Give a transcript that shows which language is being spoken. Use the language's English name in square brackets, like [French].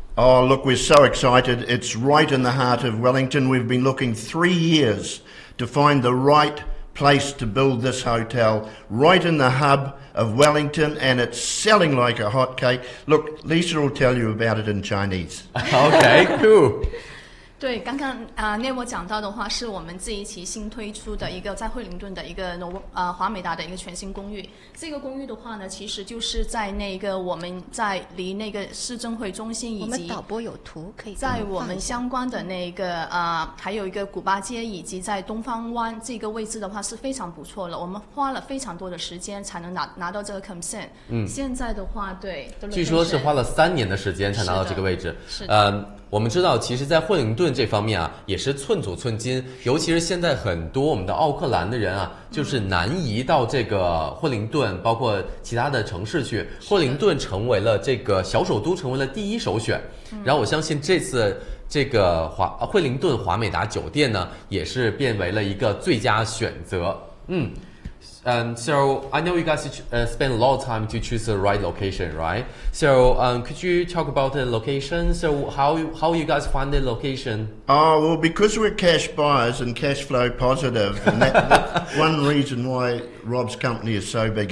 [English] Oh, look, we're so excited. It's right in the heart of Wellington. We've been looking 3 years to find the right place to build this hotel, right in the hub of Wellington, and it's selling like a hotcake. Look, Lisa will tell you about it in Chinese. Okay, cool. [Chinese] 对，刚刚内莫讲到的话，是我们这一期新推出的一个在惠灵顿的一个华美达的一个全新公寓。这个公寓的话呢，其实就是在那个我们在离那个市政会中心以及我们导播有图可以在我们相关的那个还有一个古巴街以及在东方湾这个位置的话是非常不错了。我们花了非常多的时间才能拿到这个 consent。现在的话，对，据说是花了3年的时间才拿到这个位置。是的。我们知道其实在惠灵顿这方面啊也是寸土寸金，尤其是现在很多我们的奥克兰的人啊就是南移到这个惠灵顿包括其他的城市去，惠灵顿成为了这个小首都，成为了第一首选。然后我相信这次这个惠灵顿华美达酒店呢也是变为了一个最佳选择。 [English] So I know you guys spend a lot of time to choose the right location, right? So could you talk about the location? So how you guys find the location? Oh, well, because we're cash buyers and cash flow positive, and that's one reason why Rob's company is so big.